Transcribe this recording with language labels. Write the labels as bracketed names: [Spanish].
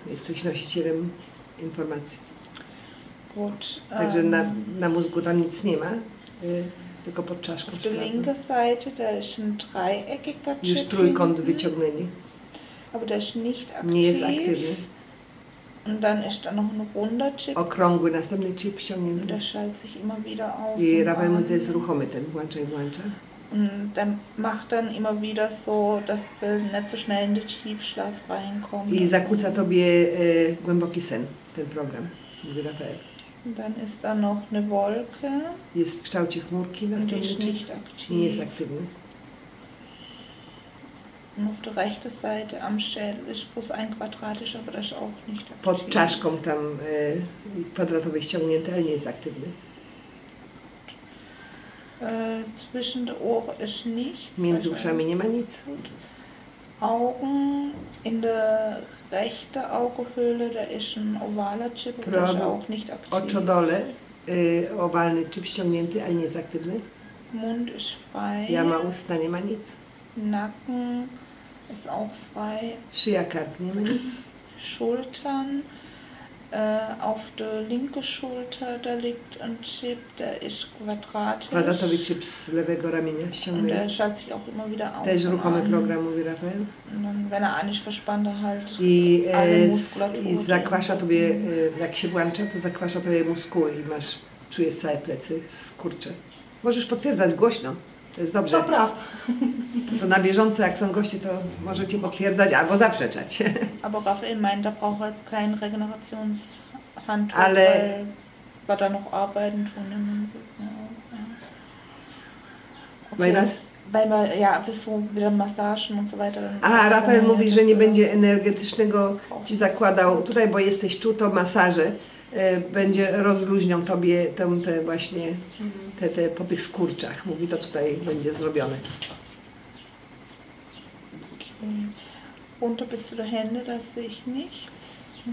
[Polish] Jesteś nosicielem informacji. [German] Gut, [Polish] także na mózgu tam nic nie ma, tylko pod czaszką. [German] Auf der linken Seite, da ist ein dreieckiger Chip. [Polish] Już trójkąt wyciągnęli. [German] Aber der ist nicht aktiv. [Polish] Nie jest aktywny. [German] Und dann ist da noch ein runder Chip. [Polish] Okrągły następny chip ściągnięty. [German] Der schaltet sich immer wieder auf. [Polish] I Rafał mówi, to jest ruchomy ten, włącza. [German] Und der macht dann immer wieder so, dass du nicht so schnell in den Tiefschlaf reinkommt. [Polish] I zakłóca tobie głęboki sen, ten program. [German] Dann ist da noch eine Wolke. [Polish] Jest w kształcie chmurki, nie jest aktywny. [German] Und auf der rechten Seite am Schädel ist bloß ein quadratisch, aber das ist auch nicht aktiv. [Polish] Pod czaszką tam kwadratowy ściągnięty, ale nie jest aktywny. [German] Zwischen der Ohr ist nichts. [Polish] Między uszami nie ma nic. [German] Augen in der rechten Augenhöhle, da ist ein ovaler Chip, aber das ist auch nicht aktiv. [Polish] Oczodole, ovalny Chip ściągnięty, ale nie jest aktywny. [German] Mund ist frei. [Polish] Ja ma usta, nie ma nic. [German] Nacken ist auch frei. [Polish] Szyja, kark, nie ma nic. [German] Schultern, auf der linken Schulter, da liegt ein Chip, der ist quadratisch. [Polish] Quadratowy Chip z lewego ramienia ściągnięty. [German] Und der schaltet sich auch immer wieder auf. [Polish] To jest ruchomy program, mówi Rafael. [German] Wenn er nicht verspannt, dann halt alle Muskulatur. [Polish] I zakwasza tobie, jak się włącza, to zakwasza tobie muskuły i masz, czujesz całe plecy, skurcze. Możesz potwierdzać głośno. To jest dobrze. To prawda. To na bieżąco, jak są goście, to możecie potwierdzać albo zaprzeczać. Albo [German] Rafael meint, da brauche jetzt kein Regenerationshandtuch, [Polish] ale [German] weil da noch arbeiten tun. Ja. Okay. Weil was? Weil wir, ja, so wieder Massagen und so weiter. [Polish] Aha, Rafael mówi, że nie będzie energetycznego ci zakładał tutaj, bo jesteś tu, to masaże będzie rozluźnią tobie te właśnie te po tych skurczach. Mówi, to tutaj będzie zrobione. Okay. [German] Unter bis zu der Hände, da sehe ich nichts.